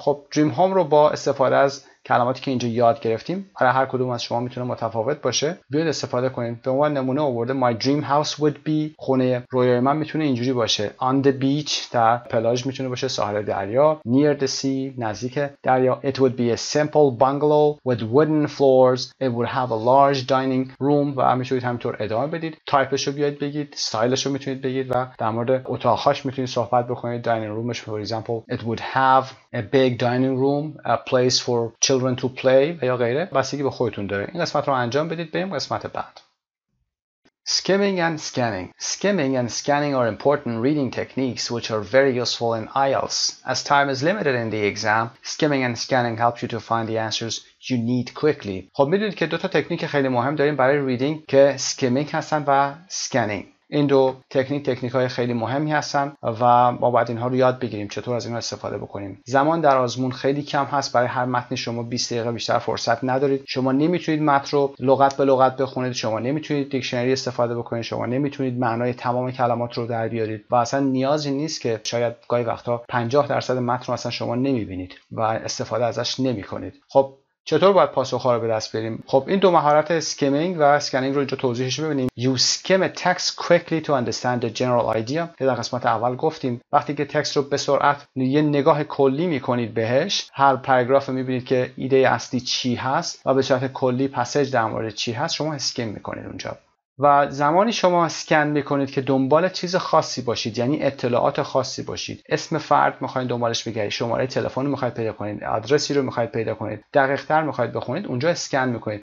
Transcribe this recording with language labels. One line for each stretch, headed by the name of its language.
Persian: خب dream home رو با استفاده از کلماتی که اینجا یاد گرفتیم، برای هر کدوم از شما میتونه متفاوت باشه، بیاید استفاده کنید. به عنوان نمونه آورده،
English: my dream house would be،
Persian: خونه رویای من میتونه اینجوری باشه.
English: On the beach،
Persian: در پلاژ میتونه باشه، ساحل دریا.
English: Near the sea،
Persian: نزدیک دریا.
English: It would be a simple bungalow with wooden floors. It would have a large dining room.
Persian: و میتونید همینطور ادامه بدید. تایپش رو بیاید بگید، استایلش رو میتونید بگید و در مورد اتاقهاش میتونید صحبت بکنید.
English: Dining roomش، for example, it would have a big dining room, a place for children to play
Persian: و یا غیره. بسیاری به خودتون داره. این قسمت رو انجام بدید، بریم قسمت بعد.
English: Skimming and scanning. Skimming and scanning are important reading techniques which are very useful in IELTS. As time is limited in the exam, skimming and scanning helps you to find the answers you need quickly.
Persian: خب میدونید که دو تا تکنیک خیلی مهم داریم برای ریدینگ که skimming هستن و scanning. این دو تکنیک های خیلی مهمی هستن و ما باید اینها رو یاد بگیریم چطور از اینها استفاده بکنیم. زمان در آزمون خیلی کم هست، برای هر متن شما 20 دقیقه بیشتر فرصت ندارید. شما نمیتونید متن رو لغت به لغت بخونید، شما نمیتونید دیکشنری استفاده بکنید، شما نمیتونید معنای تمام کلمات رو در بیارید و اصلا نیازی نیست که شاید گاهی وقتا 50% متن رو اصلا شما نمیبینید و استفاده ازش نمیکنید. خب چطور باید پاسخ‌ها رو به دست بیاریم؟ خب این دو مهارت skimming و scanning رو اینجا توضیحش ببینیم.
English: You skim a text quickly to understand the general idea.
Persian: که در قسمت اول گفتیم وقتی که تکست رو به سرعت یه نگاه کلی می‌کنید بهش، هر پاراگراف رو می‌بینید که ایده اصلی چی هست و به صورت کلی پسج در مورد چی هست، شما skim می‌کنید اونجا. و زمانی شما سکن میکنید که دنبال چیز خاصی باشید، یعنی اطلاعات خاصی باشید، اسم فرد میخواید دنبالش بگردید، شماره تلفن میخواید پیدا کنید، آدرسی رو میخواید پیدا کنید، دقیق تر میخواید بخونید، اونجا اسکن میکنید.